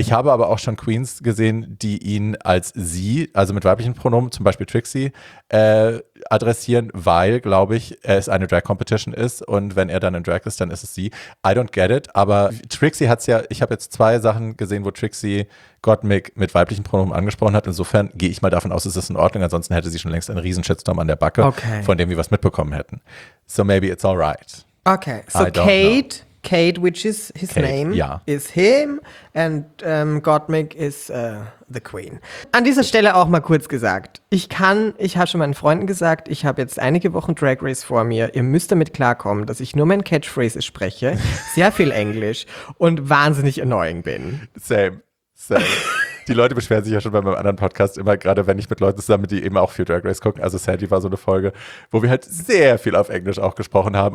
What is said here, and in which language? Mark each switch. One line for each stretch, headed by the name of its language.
German: Ich habe aber auch schon Queens gesehen, die ihn als sie, also mit weiblichen Pronomen, zum Beispiel Trixie, adressieren, weil, glaube ich, es eine Drag-Competition ist und wenn er dann in Drag ist, dann ist es sie.
English: I don't get it,
German: aber Trixie hat es ja, ich habe jetzt 2 Sachen gesehen, wo Trixie Gottmik mit weiblichen Pronomen angesprochen hat. Insofern gehe ich mal davon aus, es ist in Ordnung, ansonsten hätte sie schon längst einen riesen Shitstorm an der Backe, von dem wir was mitbekommen hätten.
English: So maybe it's all right. Okay, so Kate, which is his Kate, name,
German: ja.
English: Is him and Gottmik is the queen.
German: An dieser Stelle auch mal kurz gesagt, ich habe schon meinen Freunden gesagt, ich habe jetzt einige Wochen Drag Race vor mir, ihr müsst damit klarkommen, dass ich nur meine Catchphrases spreche, sehr viel Englisch und wahnsinnig annoying bin.
English: Same.
German: Die Leute beschweren sich ja schon bei meinem anderen Podcast immer, gerade wenn ich mit Leuten zusammen, die eben auch viel Drag Race gucken. Also Sandy war so eine Folge, wo wir halt sehr viel auf Englisch auch gesprochen haben.